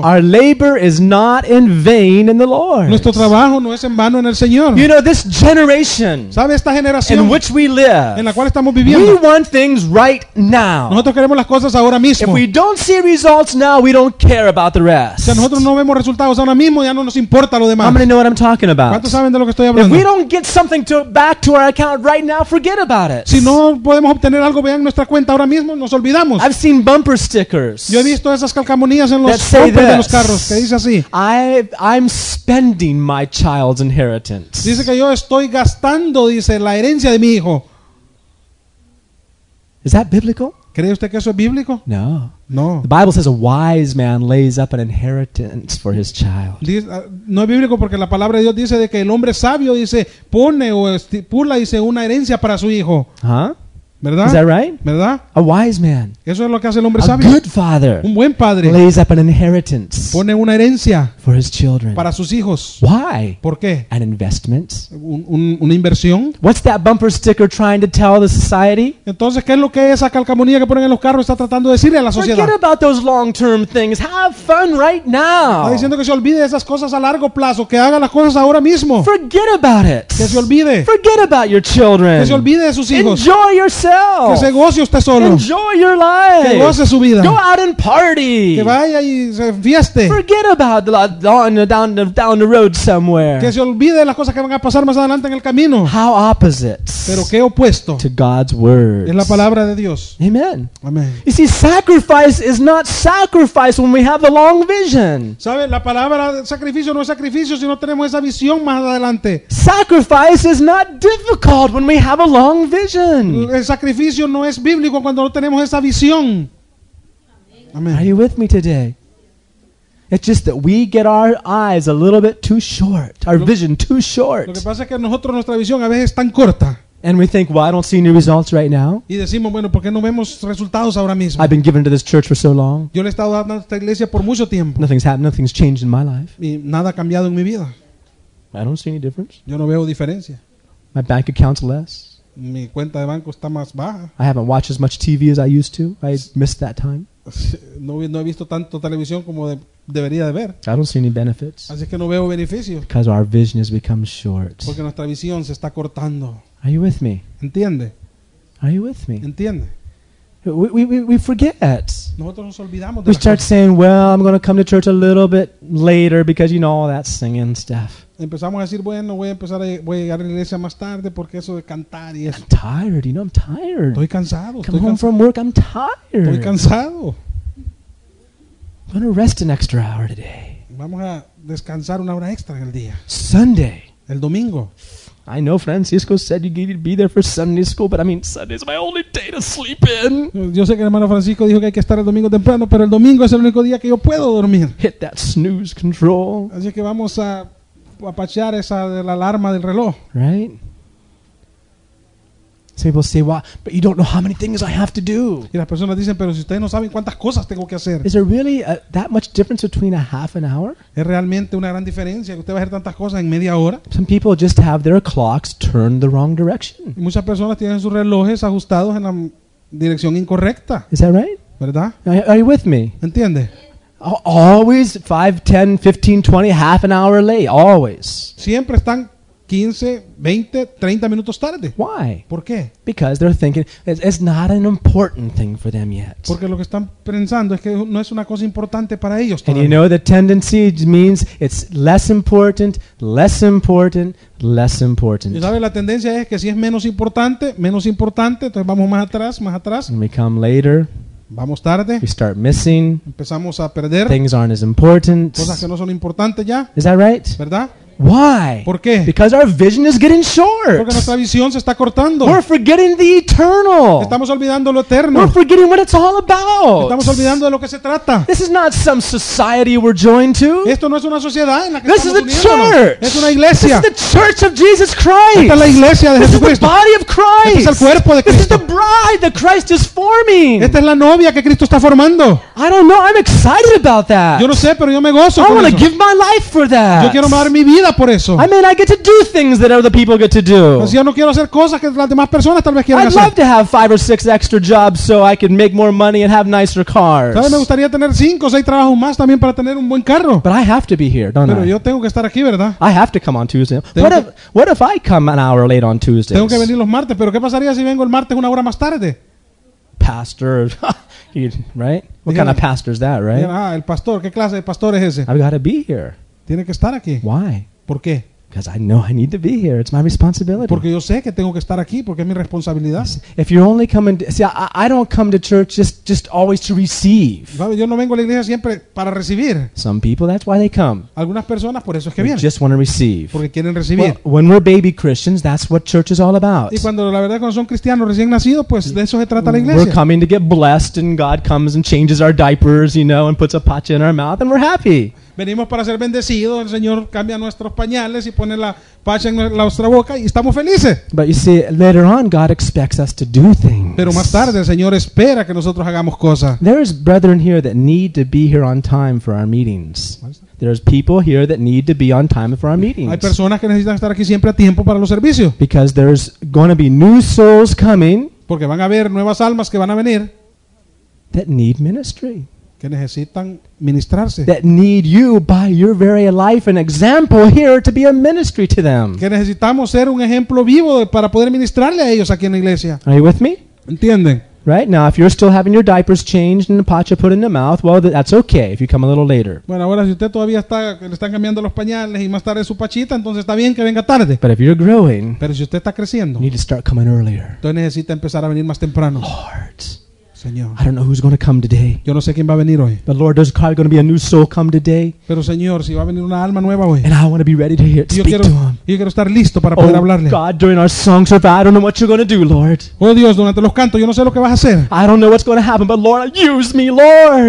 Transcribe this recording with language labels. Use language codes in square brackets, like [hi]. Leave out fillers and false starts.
[en] Our labor is not in vain in the Lord. [es] Nuestro trabajo trabajo no es en vano en el Señor. [en] You know, this generation, [es] ¿sabe esta generación [en] in which we live, [es] en la cual estamos viviendo? [en] We want things right now. [es] Nosotros queremos las cosas ahora mismo. [en] If we don't see results now, we don't care about the rest. [es] Si nosotros no vemos resultados ahora mismo, ya no nos importa lo demás. [en] How many know what I'm talking about? [es] ¿Cuántos saben de lo que estoy hablando? [en] If we don't get something to back to our account right now, forget about it. [es] Si no podemos obtener algo bien en nuestra cuenta ahora mismo, nos olvidamos. [en] I've seen bumper stickers. [es] Yo he visto esas calcamonías en los bumpers de los carros que dice así. [en] I'm spending my child's inheritance. [es] Dice que yo estoy gastando, dice, la herencia de mi hijo. [en] Is that biblical? [es] ¿Cree usted que eso es bíblico? [en] No. [es] No. [en] The Bible says a wise man lays up an inheritance for his child. [es] No es bíblico porque la palabra de Dios dice de que el hombre sabio dice pone o estipula dice una herencia para su hijo. ¿Huh? ¿Verdad? [en] Is that right? [es] ¿Verdad? [en] A wise man. [es] Eso es lo que hace el hombre a sabio. [en] Good father. [es] Un buen padre. [en] Lays up an inheritance. [es] Pone una herencia [en] for his children. [es] Para sus hijos. [en] Why? [es] ¿Por qué? [en] An investment. [es] Una inversión. [en] What's that bumper sticker trying to tell the society? [es] Entonces, ¿qué es lo que esa calcamonía que ponen en los carros está tratando de decirle a la sociedad? [en] Forget about those long-term things. Have fun right now. [es] Está diciendo que se olvide esas cosas a largo plazo, que haga las cosas ahora mismo. [en] Forget about it. [es] Que se olvide. [en] Forget about your children. [es] Que se olvide de sus hijos. [en] Enjoy your [es] que se goce usted solo. [en] Enjoy your life. [es] Que goce su vida. [en] Go out and party. [es] Que vaya y se fieste. [en] Forget about down the road somewhere. [es] Que se olvide las cosas que van a pasar más adelante en el camino. [en] How opposite. [es] Pero qué opuesto. [en] To God's word. [es] Es la palabra de Dios. [en] Amen. [es] Amen. [en] You see, sacrifice is not sacrifice when we have the long vision. [es] ¿Sabe? La palabra sacrificio no es sacrificio si no tenemos esa visión más adelante. [en] Sacrifice is not difficult when we have a long vision. [es] El sacrificio no es bíblico cuando no tenemos esa visión. [en] Amen. Are you with me today? It's just that we get our eyes a little bit too short, our vision too short. [es] Lo que pasa es que nosotros nuestra visión a veces es tan corta. [en] And we think, well, I don't see any results right now. [es] Y decimos, bueno, ¿por qué no vemos resultados ahora mismo? [en] I've been given to this church for so long. [es] Yo le he estado dando a esta iglesia por mucho tiempo. [en] Nothing's happened. Nothing's changed in my life. [es] Y nada ha cambiado en mi vida. [en] I don't see any difference. [es] Yo no veo diferencia. [en] My bank account's less. [es] Mi cuenta de banco está más baja. [en] I haven't watched as much TV as I used to. I missed that time. [es] No he visto tanto televisión como debería de ver. [en] I don't see any benefits. [es] Así es que no veo beneficios. [en] Because our vision has become short. [es] Porque nuestra visión se está cortando. [en] Are you with me? [es] ¿Entiende? [en] Are you with me? [es] ¿Entiende? [en] We forget. [es] Nosotros nos olvidamos de [en] we start cosas. Saying, well, I'm going to come to church a little bit later because you know all that singing stuff. [es] Empezamos a decir, bueno, voy a llegar a la iglesia más tarde porque eso de cantar y eso. [en] I'm tired, you know, I'm tired. [es] Estoy cansado. [en] Come home from work, I'm tired. [es] Estoy cansado. [en] I'm going to rest an extra hour today. [es] Vamos a descansar una hora extra en el día. [en] Sunday. [es] El domingo. [en] I know Francisco said you'd be there for Sunday school, but I mean, Sunday's my only day to sleep in. [es] Yo sé que el hermano Francisco dijo que hay que estar el domingo temprano, pero el domingo es el único día que yo puedo dormir. [en] Hit that snooze control. [es] Así que vamos a apachear esa de la alarma del reloj. [en] Right? Some people say, well, but you don't know how many things I have to do. [es] Y las personas dicen, pero si ustedes no saben cuántas cosas tengo que hacer. [en] Is there really that much difference between a half an hour? [es] ¿Es realmente una gran diferencia que usted va a hacer tantas cosas en media hora? [en] Some people just have their clocks turned the wrong direction. [es] Y muchas personas tienen sus relojes ajustados en la dirección incorrecta. [en] Is that right? [es] ¿Verdad? [en] Are you with me? [es] ¿Entiende? [en] Always 5, 10, 15, 20, half an hour late. Always. [es] Siempre están 15, 20, 30 minutos tarde. [en] Why? [es] ¿Por qué? [en] Because they're thinking it's not an important thing for them yet. [es] Porque lo que están pensando es que no es una cosa importante para ellos [en] todavía. And you know the tendency means it's less important, less important, less important. [es] Y sabes, la tendencia es que si es menos importante, entonces vamos más atrás, más atrás. [en] And we come later. [es] Vamos tarde. [en] We start missing. [es] Empezamos a perder. [en] Things aren't as important. [es] Cosas que no son importantes ya. [en] Is that right? [es] ¿Verdad? [en] Why? [es] ¿Por qué? [en] Because our vision is getting short. [es] Porque nuestra visión se está cortando. [en] We're forgetting the eternal. [es] Estamos olvidando lo eterno. [en] We're forgetting what it's all about. [es] Estamos olvidando de lo que se trata. [en] This is not some society we're joined to. [es] Esto no es una sociedad en la que [en] this [es] estamos [en] is a [es] uniéndonos. [en] Church. [es] Es una iglesia. [en] This is the church of Jesus Christ. [es] Esta es la iglesia de [en] this [es] Jesucristo. [en] Is the body of Christ. Christ. [es] Este es el cuerpo de Cristo. [en] This is the bride that Christ is forming. [es] Esta es la novia que Cristo está formando. [en] I don't know. I'm excited about that. [es] Yo no sé, pero yo me gozo con eso. [en] I want to give my life for that. [es] Yo quiero dar mi vida por eso. [en] I mean, I get to do things that other people get to do. [es] Pues yo no quiero hacer cosas que las demás personas tal vez quieran [en] hacer. I'd love to have 5 or 6 extra jobs so I could make more money and have nicer cars. [es] Tal vez me gustaría tener 5 o 6 trabajos más también para tener un buen carro. [en] But I have to be here, don't [es] pero [en] I? [es] Yo tengo que estar aquí, ¿verdad? [en] I have to come on Tuesday. What if I come an hour late on Tuesday? [es] Tengo que venir los martes, pero ¿qué pasaría si vengo el martes una hora más tarde? [en] Pastor, right? What kind of pastor is that, right? [es] Ah, el pastor, ¿qué clase de pastor es ese? [en] I've got to be here. [es] Tiene que estar aquí. [en] Why? [es] ¿Por qué? [en] Because I know I need to be here. It's my responsibility. [es] Porque yo sé que tengo que estar aquí porque es mi responsabilidad. [en] If you're only coming, I don't come to church just always to receive. [es] Yo no vengo a la iglesia siempre para recibir. [en] Some people, that's why they come. [es] Algunas personas por eso es que vienen. [en] Just want to receive. [es] Porque quieren recibir. [en] Well, when we're baby Christians, that's what church is all about. [es] Y cuando la verdad cuando son cristianos recién nacidos, pues de eso se trata la iglesia. [en] We're coming to get blessed, and God comes and changes our diapers, you know, and puts a pacha in our mouth, and we're happy. [es] Venimos para ser bendecidos, el Señor cambia nuestros pañales y pone la pacha en nuestra boca y estamos felices. [en] But you see, later on, God expects us to do things. [es] Pero más tarde el Señor espera que nosotros hagamos cosas. [en] There is brethren here that need to be here on time for our meetings. There's people here that need to be on time for our meetings. [es] Hay personas que necesitan estar aquí siempre a tiempo para los servicios. [en] Because there's going to be new souls coming. [es] Porque van a haber nuevas almas que van a venir. [en] That need ministry. [es] Que necesitan ministrarse. [en] That need you by your very life and example here to be a ministry to them. [es] Que necesitamos ser un ejemplo vivo para poder ministrarle a ellos aquí en la iglesia. [en] Are you with me? [es] ¿Entienden? [en] Right now, if you're still having your diapers changed and the pacha put in the mouth, well, that's okay if you come a little later. [es] Bueno, ahora si usted todavía está, le están cambiando los pañales y más tarde su pachita, entonces está bien que venga tarde. [en] But if you're growing, [es] pero si usted está creciendo, [en] you need to start coming earlier. [es] Entonces necesita empezar a venir más temprano. [en] Lord. [es] Señor. [en] I don't know who's going to come today. [es] Yo no sé quién va a venir hoy. [en] But Lord, there's probably going to be a new soul come today. [es] Pero Señor, si va a venir una alma nueva hoy. [en] And I want to be ready to hear it. Speak to him. [es] Yo quiero estar listo para poder hablarle. [en] Oh God, during our songs, I don't know what you're going to do, Lord. [es] Oh Dios, durante los cantos, yo no sé lo que vas a hacer. [en] I don't know what's going to happen, but Lord, use me, Lord.